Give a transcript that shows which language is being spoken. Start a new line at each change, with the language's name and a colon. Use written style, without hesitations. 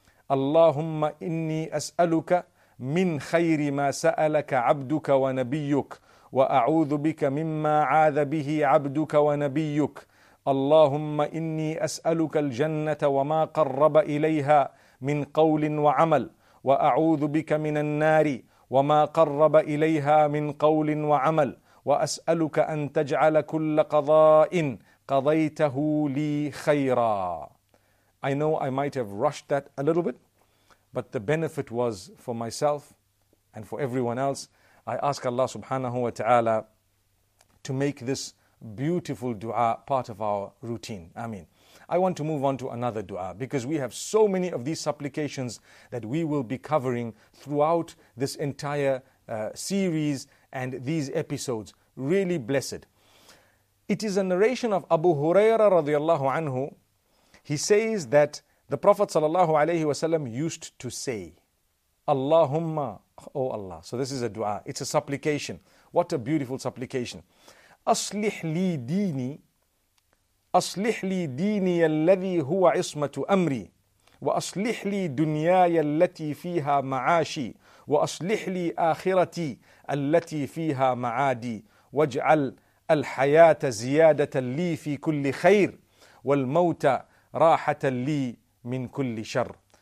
Arabic: اللهم إني أسألك من خير ما سألك عبدك ونبيك وأعوذ بك مما عاذ به عبدك ونبيك اللهم إني أسألك الجنة وما قرب إليها من قول وعمل وأعوذ بك من النار وما قرب إليها من قول وعمل وأسألك أن تجعل كل قضاء قضيته لي خيرا.
English: I know I might have rushed that a little bit, but the benefit was for myself and for everyone else. I ask Allah subhanahu wa ta'ala to make this beautiful dua part of our routine. Ameen. I want to move on to another dua because we have so many of these supplications that we will be covering throughout this entire series and these episodes. Really blessed. It is a narration of Abu Huraira radiallahu anhu. He says that the Prophet sallallahu alayhi wasallam used to say, Allahumma, O Allah. So this is a dua. It's a supplication. What a beautiful supplication.
Arabic: أصلح لي ديني الذي هو عصمة أمري وأصلح لي دنياي التي فيها معاشي وأصلح لي آخرتي التي فيها معادي واجعل الحياة زيادة لي في كل خير والموت راحة لي من كل شر.